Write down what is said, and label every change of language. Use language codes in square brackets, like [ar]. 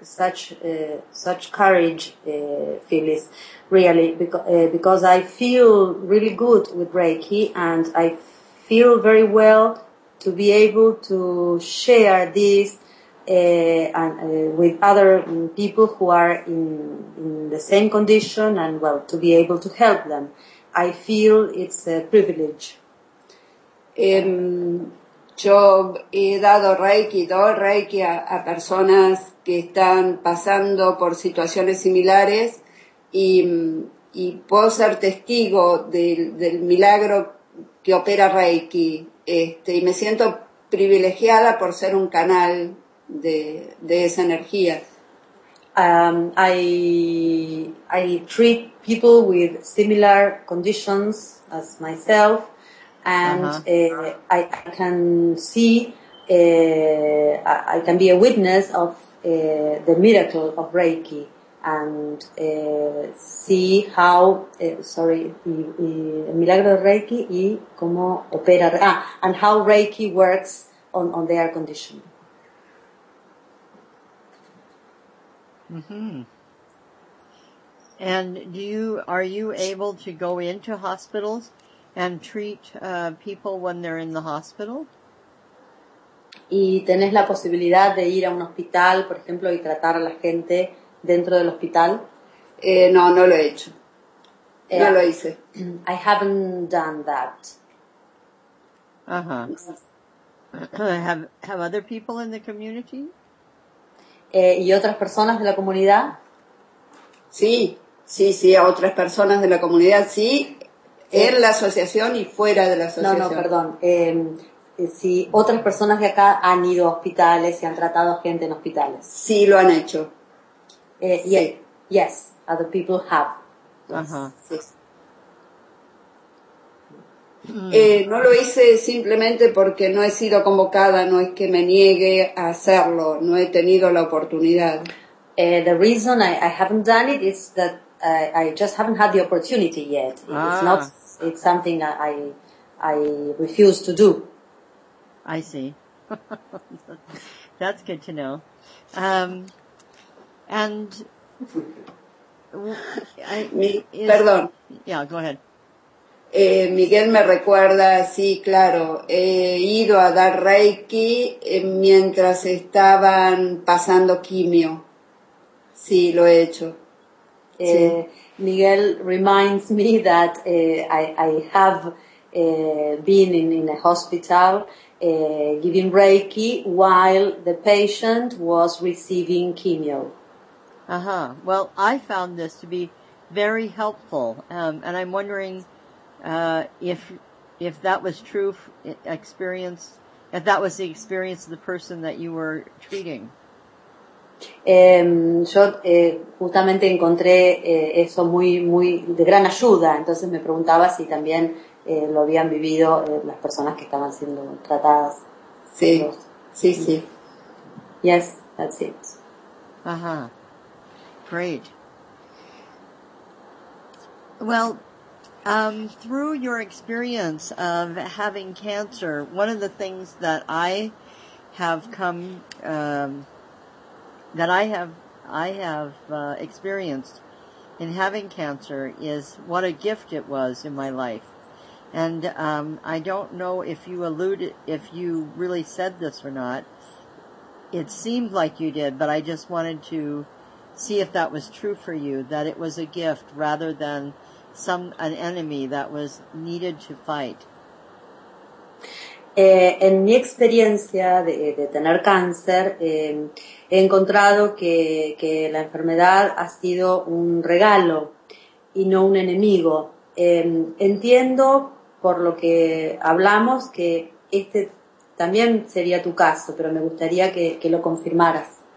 [en] It doesn't require such courage, Phyllis, really, because I feel really good with Reiki and I feel very well to be able to share this with other people who are in the same condition and, well, to be able to help them. I feel it's a privilege. [es] Yo he dado Reiki, doy Reiki a personas que están pasando por situaciones similares y puedo ser testigo del milagro que opera Reiki. Y me siento privilegiada por ser un canal de esa energía. [en] I treat people with similar conditions as myself. And I can see, I can be a witness of the miracle of Reiki and see how, [es] el milagro de Reiki y cómo opera, [en] and how Reiki works on their condition. Mm-hmm. And are you able to go into hospitals and treat people when they're in the hospital? [es] ¿Y tenés la posibilidad de ir a un hospital, por ejemplo, y tratar a la gente dentro del hospital? No lo he hecho. No lo hice. [en] I haven't done that. Uh-huh. Have other people in the community? [es] ¿Y otras personas de la comunidad? Sí, otras personas de la comunidad, sí. En la asociación y fuera de la asociación. No, perdón. Si otras personas de acá han ido a hospitales y han tratado a gente en hospitales. Sí, lo han hecho. [en] Sí. Yes, other people have. Uh-huh. Yes. [es] No lo hice simplemente porque no he sido convocada, no es que me niegue a hacerlo, no he tenido la oportunidad. [en] The reason I haven't done it is that I just haven't had the opportunity yet. It's something I refuse to do. I see. That's good to know. Yeah, go ahead. [es] Miguel me recuerda, sí, claro, he ido a dar Reiki mientras estaban pasando quimio. Sí, lo he hecho. [en] Miguel reminds me that I have been in a hospital giving Reiki while the patient was receiving chemo. Uh-huh. Well, I found this to be very helpful, and I'm wondering if that was true experience, if that was the experience of the person that you were treating. [es] Justamente encontré eso muy, muy de gran ayuda. Entonces me preguntaba si también lo habían vivido las personas que estaban siendo tratadas. Sí, sí, sí. [en] Yes, that's it. Uh-huh. Great. Well, through your experience of having cancer, one of the things that I have come experienced in having cancer is what a gift it was in my life. And I don't know if you really said this or not. It seemed like you did, but I just wanted to see if that was true for you, that it was a gift rather than an enemy that was needed to fight. [es] En mi experiencia de tener cáncer, he encontrado que la enfermedad ha sido un regalo y no un enemigo. Entiendo, por lo que hablamos, que este también sería tu caso, pero me gustaría que lo confirmaras.